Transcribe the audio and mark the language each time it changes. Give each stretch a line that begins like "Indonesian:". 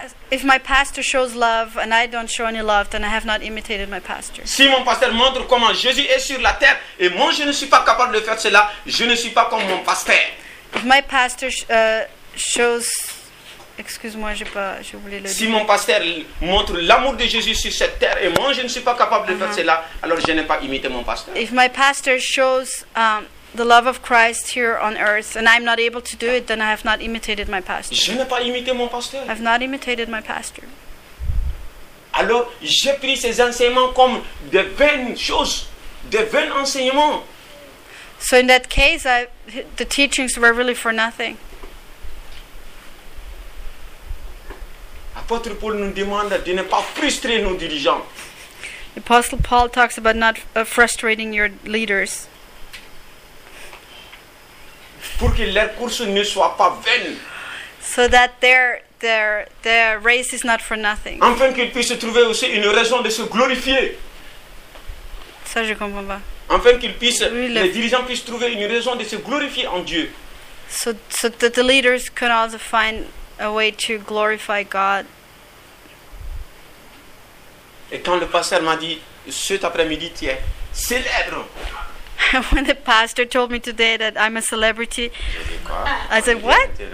English: If my pastor shows love and I don't show any love, then I have not imitated my pastor.
French: Si mon pasteur montre comment Jésus est sur la terre et moi je ne suis pas capable de faire cela, je ne suis pas comme mon pasteur.
English: If my pastor shows,
French: excuse-moi, j'ai oublié le. Si mon pasteur montre l'amour de Jésus sur cette terre et moi je ne suis pas capable de faire cela, alors je n'ai pas imité mon pasteur.
English: If my pastor shows the love of Christ here on earth and I'm not able to do it, then I have not imitated my pastor.
French: Je n'ai pas imité mon pasteur.
English: I've not imitated my pastor.
French: Alors j'ai pris ces enseignements comme de vaines choses, de vains enseignements.
English: So in that case, the teachings were really for nothing.
French: Apôtre Paul nous demande de ne pas frustrer nos dirigeants.
English: Apostle Paul talks about not frustrating your leaders.
French: Pour que leur course ne soit pas vaine.
English: So that their race is not for nothing.
French: Afin qu'ils puissent trouver aussi une raison de se glorifier. Ça, je comprends pas. Afin qu'ils puissent, les dirigeants puissent trouver une raison de se glorifier en Dieu.
English: So that the leaders can also find a way to glorify God.
French: Et quand le pasteur m'a dit cet après-midi, tiens, célèbre.
English: When the pastor told me today that I'm a celebrity, I said, what?